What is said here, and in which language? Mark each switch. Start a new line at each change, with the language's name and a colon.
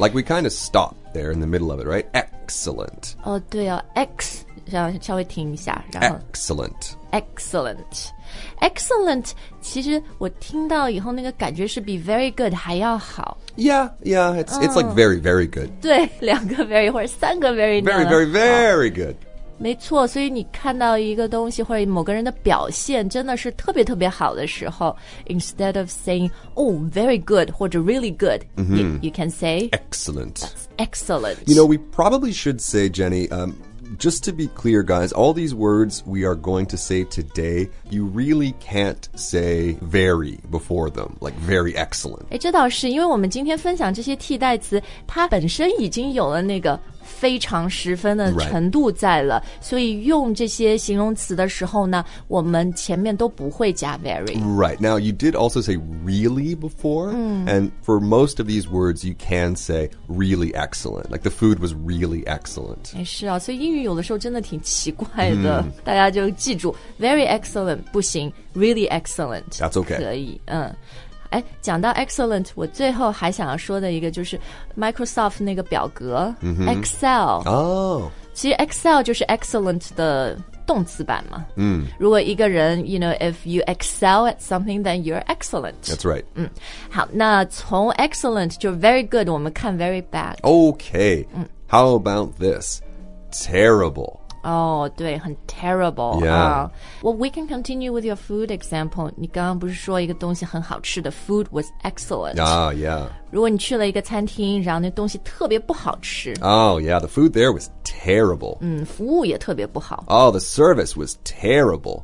English: Like we kind of stop there in the middle of it, right? Excellent.
Chinese: Oh, 对哦 X, 稍微停一下然后
English: Excellent. Excellent.
Chinese: Excellent, 其实我听到以后那个感觉是比 very good 还要好。
English: Yeah, yeah, it's like very, very good.
Chinese: 对，两个 very 或者三个 very 那
English: 样。Very, very, very good.
Chinese: 没错，所以你看到一个东西或者某个人的表现真的是特别特别好的时候
English: instead of saying, oh, very good,
Chinese: 或者 really good,、
English: you can say excellent. Excellent. You know, we probably should say, Jenny, just to be clear, guys, all these words we are going to say today, you really can't say very before them, like very excellent.
Chinese: 哎，这倒是，因为我们今天分享这些替代词，它本身已经有了那个非常十分的程度在了、
English: right.
Chinese: 所以用这些形容词的时候呢我们前面都不会加 very
English: Right, now you did also say really before、And for most of these words you can say really excellent Like the food was really excellent
Chinese: 是啊所以英语有的时候真的挺奇怪的、大家就记住 very excellent 不行 really excellent
English: That's okay
Chinese: 可以哎，讲到 excellent， 我最后还想要说的一个就是 Microsoft 那个表格、Excel。哦，其实 Excel 就是 excellent 的动词版嘛。如果一个人
English: ，you know， if you excel at something， then you're excellent。 That's right。
Chinese: 好，那从 excellent 就 very good， 我们看 very bad。
English: Okay。 How about this？ Terrible。
Chinese: Oh, 对，很 terrible.
English: Yeah. Well, we can continue with your food example.
Chinese: 你刚刚不是说一个东西很好吃的
English: food was excellent. Oh, yeah.
Chinese: 如果你去了一个餐厅，然后那东西特别不好吃。
English: Oh, yeah, the food there was terrible.
Chinese: 服务也特别不好。
English: Oh, the service was terrible.